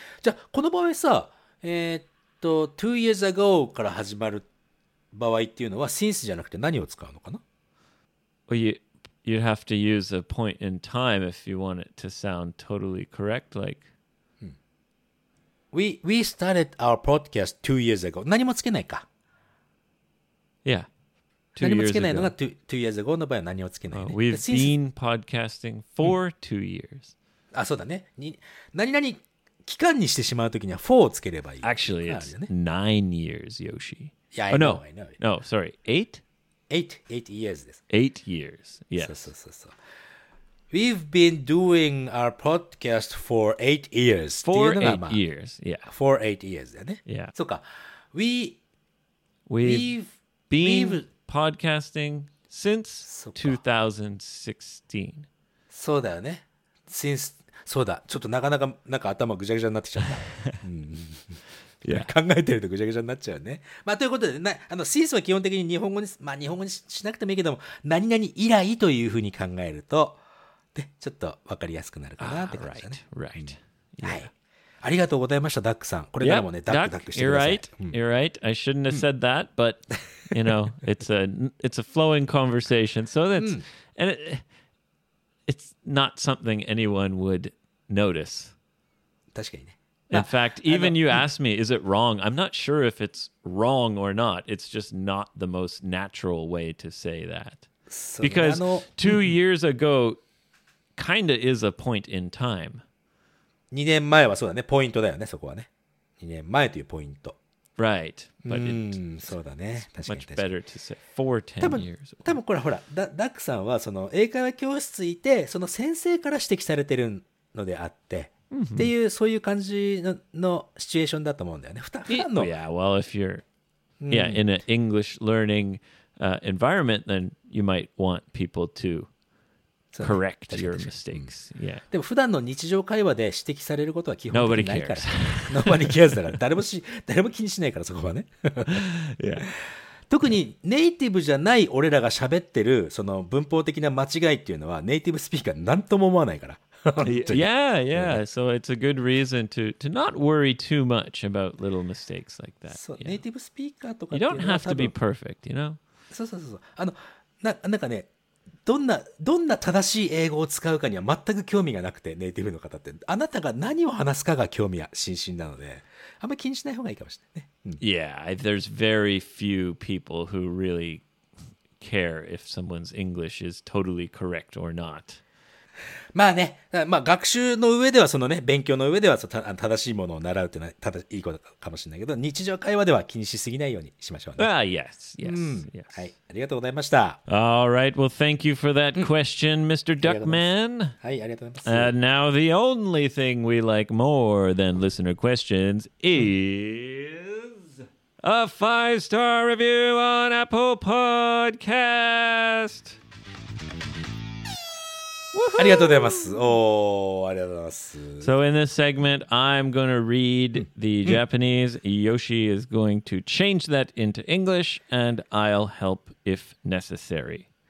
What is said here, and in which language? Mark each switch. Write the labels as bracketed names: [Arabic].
[Japanese] じゃあこの場合さ、 [English] two years ago [Japanese] から始まる場合っていうのは since じゃなくて何を使うのかな。 [English] Well, you'd have to use a point in time if you want it to sound totally correct, like We started our podcast 2 years ago. [Japanese] 何もつけないか。 [English] Yeah. 2 years ago. [Japanese] 何もつけないのが [English] 2 years ago [Japanese] の場合は何もつけない、ね。 [English] We've been podcasting for 2 years. [Japanese] あ、そうだね。何々期間にしてしまうときには4をつければいい。 [English] Actually, it's 9 years, Yoshi. Yeah, I know. No, sorry. 8? Eight years [Japanese] です。 [English] 8 years, yes. [Japanese] そう。 [English] We've been doing our podcast for 8 years. For 8 years, yeah. For 8 years, [Japanese] だね。 [English] Yeah. [Japanese] そうか。 [English] We've been podcasting since 2016. [Japanese] そうだよね。Since そうだ。ちょっとなかなか頭ぐちゃぐちゃになってきちゃった。 [English] Yeah. [Japanese] 考えてるとぐちゃぐちゃになっちゃうね。まあということで、since は基本的に日本語に、まあ日本語に しなくてもいいけども、何々以来というふうに考えると。ちょっと分かりやすくなるかなって感じだね。 [English] Right. Yeah. [Japanese] はい。ありがとうございました、ダックさん。これからもね、ダックダックしてください。 [English] You're right. I shouldn't have said that, but you know, it's a flowing conversation. So that's and it's not something anyone would notice. [Japanese] 確かにね。 [English] In fact, even you asked me, is it wrong? I'm not sure if it's wrong or not. It's just not the most natural way to say that. Because 2 years ago kind of is a point in time. [Japanese] 2年前はそうだね、ポイントだよね、そこはね。 2年前というポイント。 [English] Right. But it's [Japanese] そうだね、 [English] much better to say for 10 years. [Japanese] 多分これほら、ダックさんはその英会話教室いて、その先生から指摘されてるのであって、っていうそういう感じのシチュエーションだと思うんだよね。普段の。 [English] Yeah, well, if you're in an English learning environment, then you might want people to correct your mistakes. Yeah. [Japanese] でも普段の日常会話で指摘されることは基本的にないから。 [English] Nobody cares. [Japanese] だから誰も気にしないからそこはね。 [English] Yeah. [Japanese] 特にネイティブじゃない俺らが喋ってるその文法的な間違いっていうのはネイティブスピーカー何とも思わないから。 [English] yeah, yeah. So it's a good reason to not worry too much about little mistakes like that. So native speaker [Japanese] とか [English] you don't have to be perfect, you know. [Japanese] そうそうそうそう。あのなんかね、どんな正しい英語を使うかには全く興味がなくて、ネイティブの方ってあなたが何を話すかが興味津々なので、あんまり気にしない方がいいかもしれないね。 [English] Yeah, there's very few people who really care if someone's English is totally correct or not. [Japanese] まあね、まあ学習の上ではそのね、勉強の上ではその正しいものを習うというのは正しいことかもしれないけど、日常会話では気にしすぎないようにしましょうね。 [English] Ah, yes, yes, yes. [Japanese] はい、ありがとうございました。 [English] All right, well, thank you for that question, Mr. Duckman. [Japanese] はい、ありがとうございます。 [English] Now, the only thing we like more than listener questions is a 5-star review on Apple Podcast! [Japanese] ありがとうございます。おー、ありがとうございます。 [English] So in this segment, I'm going to read the Japanese. Yoshi is going to change that into English, and I'll help if necessary.